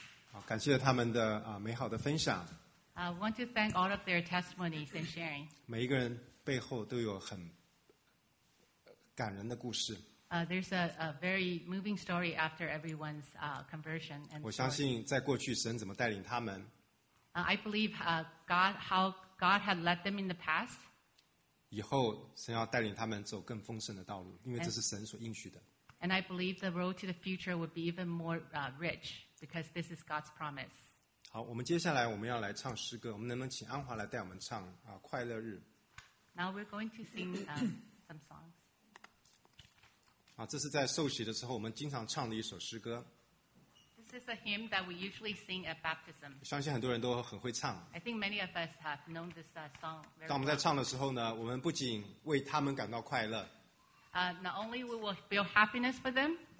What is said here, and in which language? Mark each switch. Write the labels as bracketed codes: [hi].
[zh] 好感谢他们的美好的分享 [en] I want to thank all of their testimonies and sharing [zh] 每一个人背后都有很感人的故事 [en] There's a very moving story after everyone's conversion. And [zh] 我相信在过去神怎么带领他们。 [en] I believe how God had led them in the past. [zh] 以后神要带领他们走更丰盛的道路，因为这是神所应许的。 [en] And I believe the road to the future would be even more rich because this is God's promise. [zh] 好，我们接下来我们要来唱诗歌，我们能不能请安华来带我们唱快乐日 [en] ？Now we're going to sing some songs. [zh] 这是在受洗的时候我们经常唱的一首诗歌。 [en] This is a hymn that we usually sing at baptism. [zh] 相信很多人都很会唱。 [en] I think many of us have known this song very well. [zh] 当我们在唱的时候呢，我们不仅为他们感到快乐。 [en] Not only we will feel happiness for them.